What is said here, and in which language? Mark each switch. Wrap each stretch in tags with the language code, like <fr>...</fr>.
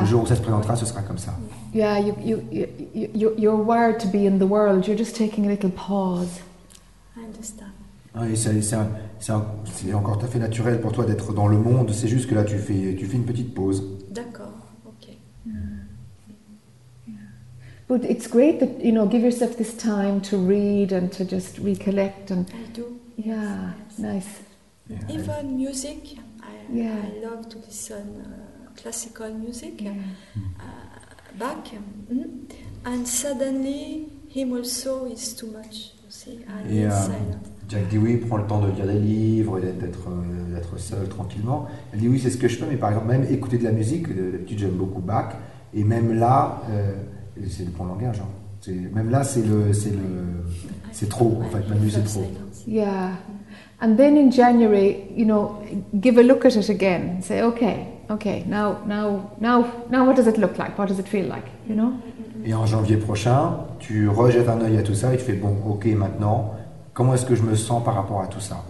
<fr>Le jour où ça se présentera, ce sera comme ça.</fr> <en>Yeah, you're wired to be in the world, you're just taking a little pause. I understand.</en> <fr>Oui, c'est encore tout à fait naturel pour toi d'être dans le monde, c'est juste que là tu fais une petite pause. D'accord, ok.</fr> <en>But it's great that, you know, give yourself this time to read and to just recollect. And I do. Yeah, yes. Nice. Yeah. Even music. I love to listen classical music. Yeah. Back. Mm-hmm. And suddenly, him also is too much, you see.</en> <fr>Jack Dewey prend le temps de lire des livres, d'être seul tranquillement. Dewey, c'est ce que je fais, mais par exemple, même écouter de la musique, d'habitude, j'aime beaucoup Bach. Et même là... c'est le bon langage. Hein. C'est trop en fait. Même lui, c'est trop.</fr> <en>Yeah, and then in January, you know, give a look at it again. Say, okay. Now, what does it look like? What does it feel like? You know.</en> <fr>Et en janvier prochain, tu rejettes un œil à tout ça et tu fais bon, ok, maintenant, comment est-ce que je me sens par rapport à tout ça?</fr>